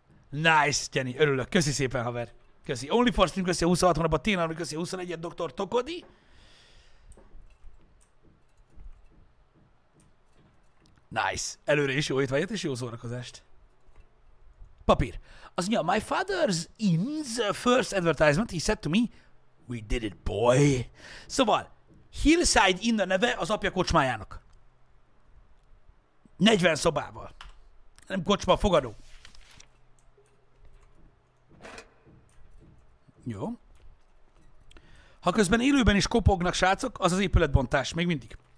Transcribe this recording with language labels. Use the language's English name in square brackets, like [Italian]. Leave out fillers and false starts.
[Hungarian] Nice, Jenny! Örülök! Köszi szépen, haver! Köszi! [English] Only for Steam, [Hungarian] köszi a 26 hónapban, Tina, köszi a 21-et, Dr. Tokodi! Nice. Előre is jó étvágyat és jó szórakozást. Papír. Az ugye a [English] My Father's Inn's first advertisement, he said to me, we did it, boy. [Hungarian] Szóval, Hillside Inn a neve az apja kocsmájának. 40 szobával. Nem kocsma, fogadó. Jó. Ha közben élőben is kopognak, srácok, az az épületbontás, még mindig.